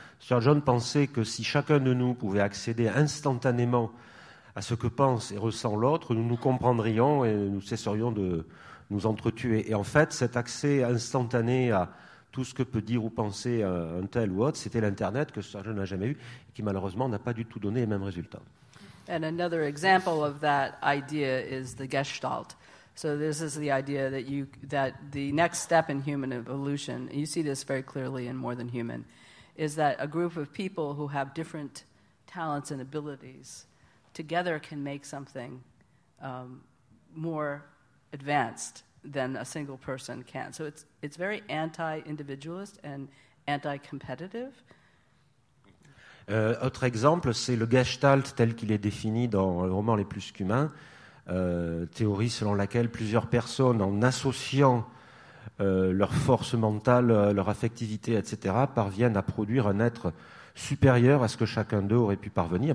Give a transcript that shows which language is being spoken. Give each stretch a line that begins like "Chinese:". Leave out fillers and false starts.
French: Sturgeon pensait que si chacun de nous pouvait accéder instantanément à ce que pense et ressent l'autre, nous nous comprendrions et nous cesserions de nous entretuer. Et en fait, cet accès instantané à tout ce que peut dire ou penser un tel ou autre, c'était l'Internet que Sturgeon n'a jamais eu, et qui malheureusement n'a pas du tout donné les mêmes résultats.
English: And another example of that idea is the Gestalt. So this is the idea that the next step in human evolution, you see this very clearly in More Than Human, is that a group of people who have different talents and abilities together can make something more advanced than a single person can. So it's very anti-individualist and anti-competitive.
French: Autre exemple, c'est le Gestalt tel qu'il est défini dans le roman Les Plus Qu'Humains, théorie selon laquelle plusieurs personnes, en associant leur force mentale, leur affectivité, etc., parviennent à produire un être supérieur à ce que chacun d'eux aurait pu parvenir.